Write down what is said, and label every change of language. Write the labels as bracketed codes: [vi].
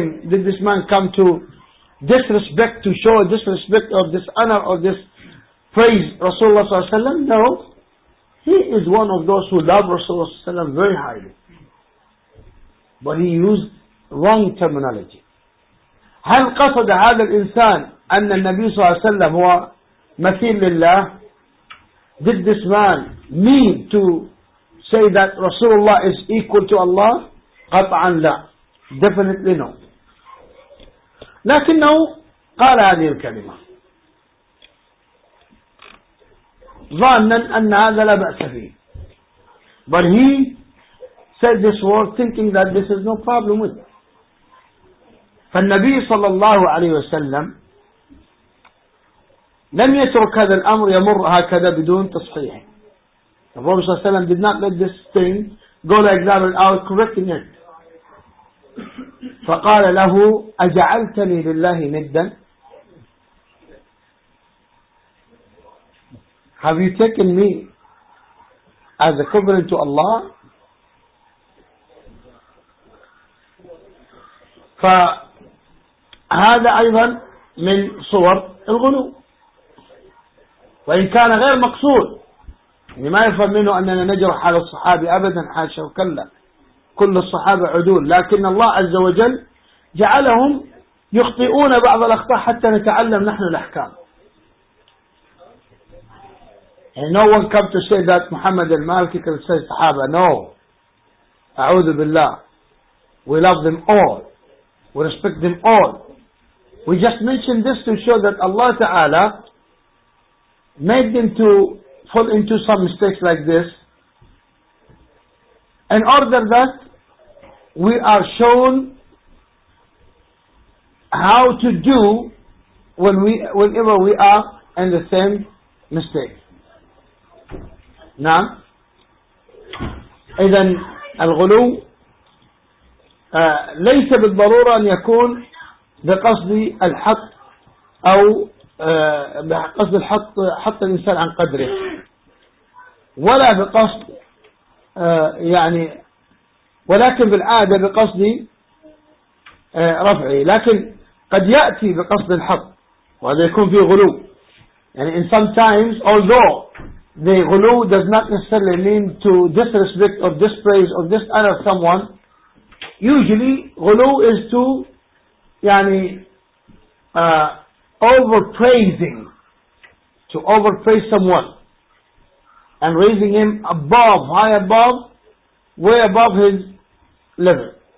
[en] Did this man come to disrespect, to show disrespect of this honor or this praise Rasulullah صلى الله عليه وسلم? No. He is one of those who love Rasulullah صلى الله عليه وسلم very highly. But he used wrong terminology. [ar] هل قصد هذا الإنسان أن النبي صلى الله عليه وسلم هو مثيل لله؟ [en] Did this man mean to say that Rasulullah is equal to Allah? [ar] قطعاً لا. [en] Definitely no. [ar] لكنه قال هذه الكلمة ظناً أن هذا لا بأس فيه. [en] But he said this word thinking that this is no problem with it. [ar] فالنبي صلى الله عليه وسلم لم يترك هذا الأمر يمر هكذا بدون تصحيح. [en] The Prophet صلى الله عليه وسلم did not let this thing go like that without correcting it. [ar] فقال له أجعلتني لله ندا. [en] Have you taken me as a covenant to Allah? [ar] فهذا أيضا من صور الغلو. وإن كان غير مقصود ما يفهم منه أننا نجرح على الصحابة أبدا حاشا وكلا, كل الصحابة عدول, لكن الله عز وجل جعلهم يخطئون بعض الأخطاء حتى نتعلم نحن الأحكام. [en] And no one come to say that Muhammad al-Maliki can say الصحابة. No, [ar] أعوذ بالله. [en] We love them all, we respect them all. We just mention this to show that Allah Ta'ala made them to fall into some mistakes like this in order that we are shown how to do whenever we are in the same mistake. [ar] نعم. إذن الغلو ليس بالضرورة أن يكون بقصد الحط أو بقصد الحط حط الإنسان عن قدره، ولا بقصد يعني، ولكن بالعادة بقصد رفعه، لكن قد يأتي بقصد الحط وهذا يكون فيه غلو. [en] يعني in some times although the غلو does not necessarily mean to disrespect or dispraise or dishonor someone, usually غلو is to يعني overpraising, to overpraise someone and raising him above, high above, way above his level.